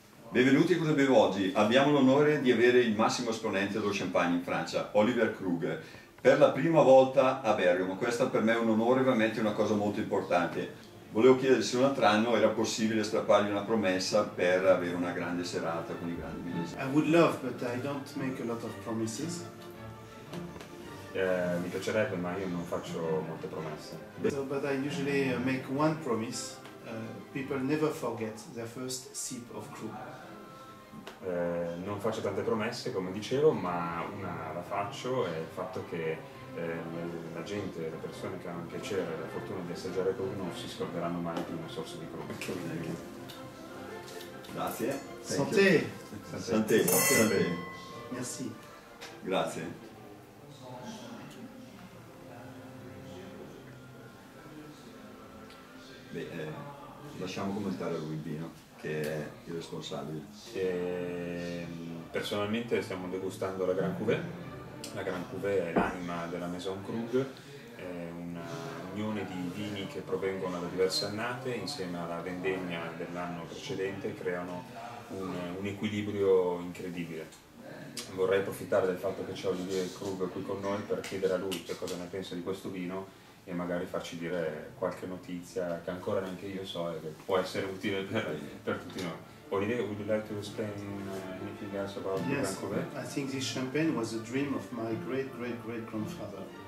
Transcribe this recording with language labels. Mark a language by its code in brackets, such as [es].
[it] Benvenuti a Cosa Bevo Oggi. Abbiamo l'onore di avere il massimo esponente dello champagne in Francia, Oliver Krug, per la prima volta a Bergamo. Questa per me è un onore, veramente una cosa molto importante. Volevo chiedere se un altro anno era possibile strappargli una promessa per avere una grande serata con i grandi milanesi. [en] I would love, but I don't make a lot of promises. [it] Mi piacerebbe, ma io non faccio molte promesse. [en] So, but I usually make one promise. People never forget their first sip of Krug. [it] Non faccio tante promesse, come dicevo, ma una la faccio, è il fatto che la gente, le persone che hanno il piacere e la fortuna di assaggiare Krug non si scorderanno mai di una sorsa di Krug. Grazie. [fr] Santé. Santé. Santé. Santé. Santé. Santé. Merci. [it] Grazie. Beh, lasciamo commentare a lui il vino, che è il responsabile. E personalmente stiamo degustando la Grand Cuvée. La Grand Cuvée è l'anima della Maison Krug, è un'unione di vini che provengono da diverse annate, insieme alla vendemmia dell'anno precedente, creano un equilibrio incredibile. Vorrei approfittare del fatto che c'è Olivier Krug qui con noi per chiedere a lui che cosa ne pensa di questo vino, e magari farci dire qualche notizia che ancora neanche io so e che può essere utile per tutti noi. [en] Olivier, would you like to explain anything else about the Grand Cuvée? I think this champagne was a dream of my great great great grandfather.